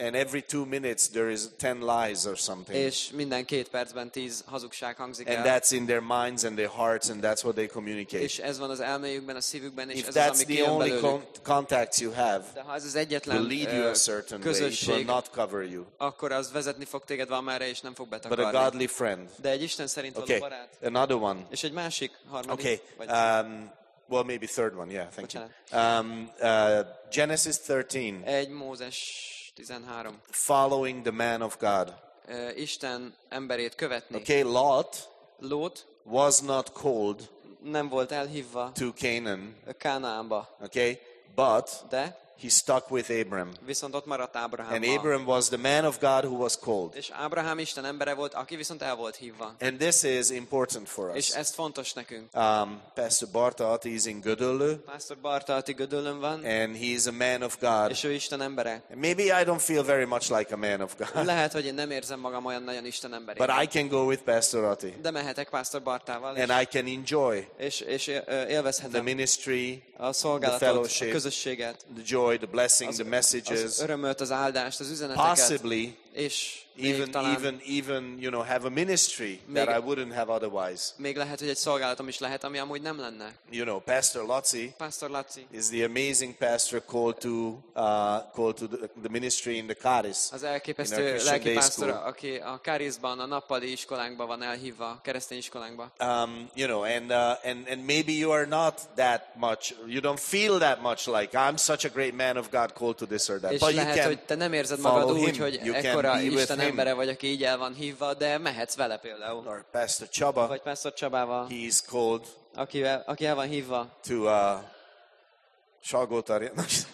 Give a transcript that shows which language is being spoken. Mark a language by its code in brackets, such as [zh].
[en] And every 2 minutes there is 10 lies or something. [hu] És minden 2 percben 10 hazugság hangzik el. [en] And that's in their minds and their hearts and that's what they communicate. [hu] És ez van az elméjükben, a szívükben, és [en] if [hu] ez az, ami [en] that's the only [hu] belőlük, [en] contacts you have, [hu] de ha ez az egyetlen közösség, [en] will not cover you. [hu] Akkor az vezetni fog téged valamerre, és nem fog betakarni. [en] But a godly friend. [hu] De egy Isten szerint való [en] okay. [hu] barát. [en] Another one. [hu] És egy másik, harmadik. [en] Okay. Well, maybe third one. Yeah, thank [hu] bocsánat. [en] You. Genesis 13. [hu] Egy Mózes 13. [en] Following the man of God. [hu] Isten emberét követni. [en] Okay, Lot. [hu] Lot. [en] Was not called. [hu] Nem volt elhívva. [en] To Canaan. [hu] Kánaánba. [en] Okay, but. [hu] De. [en] He stuck with Abram. [hu] Viszont ott maradt Ábrahámmal. [en] And Abram was the man of God who was called. [hu] És Ábrahám Isten embere volt, aki viszont el volt hívva. [en] And this is important for us. [hu] És ez fontos nekünk. [en] Pastor Barta Ati is in Gödöllő. [hu] Pastor Barta Ati Gödöllőn van. [en] And he is a man of God. [hu] És ő Isten embere. [en] And maybe I don't feel very much like a man of God. [hu] Lehet, hogy én nem érzem magam olyan nagyon Isten emberi. [en] But I can go with Pastor Ati. [hu] De mehetek Pastor Bartával. [en] And I can enjoy. [hu] És élvezhetem. [en] The ministry. [hu] A szolgálatot, [en] the fellowship, [hu] a közösséget. [en] The joy. The blessing, the messages. [hu] Az örömöt, az áldást, az üzeneteket. [en] Possibly, [hu] és [en] even you know, have a ministry [hu] még, [en] that I wouldn't have otherwise. [hu] Még lehet, hogy egy szolgálatom is lehet, ami amúgy nem lenne. [en] You know, Pastor Lotzi. [hu] Pastor Lotzi [en] is the amazing pastor called to the ministry in the Charis. [hu] Az elképesztő lelkipásztor, aki a Charisban, a nappali iskolánkban van elhívva, keresztény iskolánkban. [en] You know, and maybe you are not that much, you don't feel that much like I'm such a great man of God called to this or that. [hu] És [en] but [hu] lehet, [en] you can [hu] hogy te nem érzed magad úgy, him, hogy ekkora Isten embere vagy, aki így el van hívva, de mehetsz vele például. [en] Or Pastor Csaba, [hu] vagy Pastor Csabával. [en] He is called. [hu] Aki el van hívva. [en] To Salgótarján.